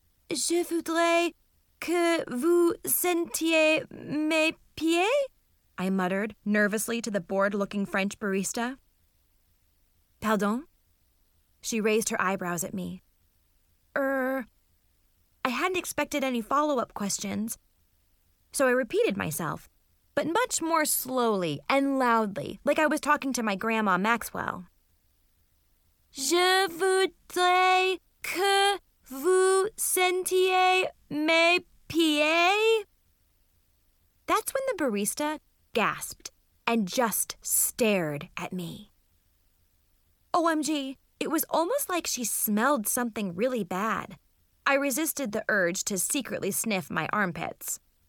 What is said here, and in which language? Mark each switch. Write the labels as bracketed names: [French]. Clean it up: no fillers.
[French] Je voudrais que vous sentiez mes pieds, [English] I muttered nervously to the bored-looking French barista. Pardon? She raised her eyebrows at me. I hadn't expected any follow-up questions, so I repeated myself, but much more slowly and loudly, like I was talking to my grandma Maxwell. [French] Je voudrais que vous sentiez mes pieds. [English] That's when the barista gasped and just stared at me. OMG, it was almost like she smelled something really bad. I resisted the urge to secretly sniff my armpits.